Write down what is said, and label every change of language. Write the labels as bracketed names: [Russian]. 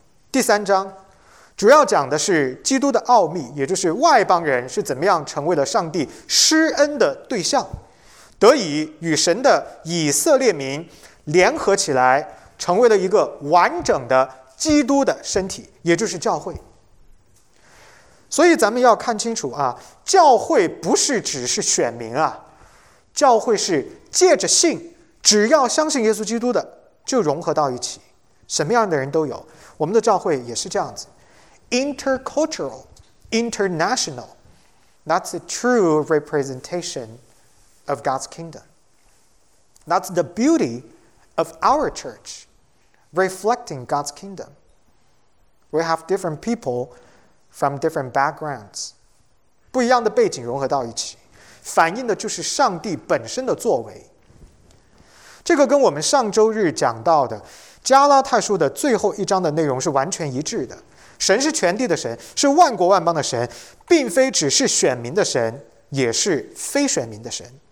[Chinese] 第三章主要讲的是基督的奥秘，也就是外邦人是怎么样成为了上帝施恩的对象，得以与神的以色列民联合起来，成为了一个完整的基督的身体，也就是教会。所以咱们要看清楚啊，教会不是只是选民啊，教会是借着信，只要相信耶稣基督的就融合到一起，什么样的人都有。我们的教会也是这样子 [English] intercultural, international, that's the true representation of God's kingdom. That's the beauty of our church, reflecting God's kingdom. We have different people from different backgrounds. [Chinese] 不一样的背景融合到一起，反映的就是上帝本身的作为。这个跟我们上周日讲到的加拉太书的最后一章的内容是完全一致的。神是全地的神，是万国万邦的神，并非只是选民的神，也是非选民的神。